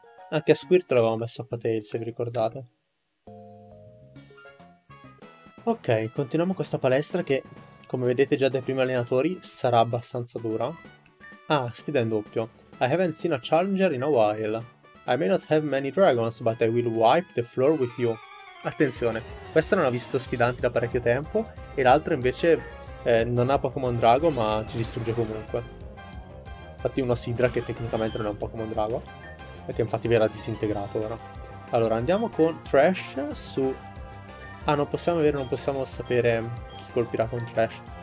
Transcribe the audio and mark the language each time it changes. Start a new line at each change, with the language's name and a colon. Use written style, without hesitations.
Italian: Anche a Squirtle l'avevamo messo a Patail, se vi ricordate. Ok, continuiamo questa palestra che, come vedete già dai primi allenatori, sarà abbastanza dura. Ah, sfida in doppio.
English: I haven't seen a challenger in a while. I may not have many dragons, but I will wipe the floor with you.
Italian: Attenzione, questa non ha visto sfidanti da parecchio tempo e l'altro invece non ha Pokémon Drago ma ci distrugge comunque. Infatti uno Sidra che tecnicamente non è un Pokémon Drago e che infatti verrà disintegrato ora. Allora andiamo con Trash su... Ah, non possiamo sapere chi colpirà con Trash.